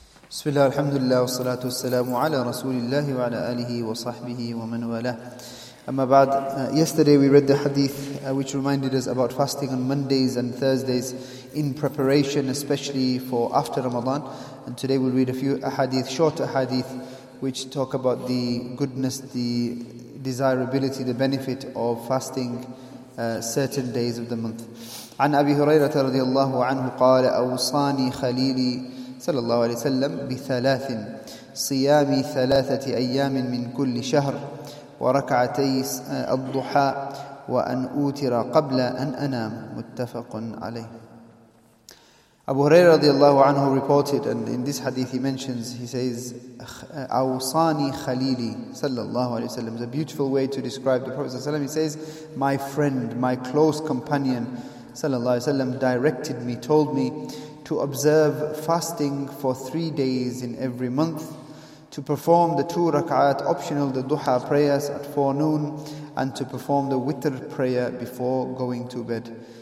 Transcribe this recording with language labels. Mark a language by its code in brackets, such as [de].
[ar] بسم الله الحمد لله والصلاة والسلام على رسول الله وعلى آله وصحبه ومن والاه. أما بعد, [en] yesterday we read the hadith which reminded us about fasting on Mondays and Thursdays in preparation, especially for after Ramadan. And today we'll read a few ahadith, short ahadith, which talk about the goodness, the desirability, the benefit of fasting certain days of the month. [ar] عن أبي هريرة رضي الله عنه قال أوصاني خليلي صلى الله عليه وسلم بثلاث: صيام ثلاثة أيام من كل شهر, وركعتي الضحى, وأن أوتر قبل أن أنام. متفق عليه. [en] Abu Hurairah radiallahu anhu reported, and in this hadith he mentions, he says, [ar] أوصاني خليلي صلى الله عليه وسلم. [en] It's a beautiful way to describe the Prophet صلى الله عليه وسلم. He says, my friend, my close companion صلى الله عليه وسلم directed me, told me to observe fasting for 3 days in every month, to perform the 2 rak'at, optional, the duha prayers at forenoon, and to perform the witr prayer before going to bed.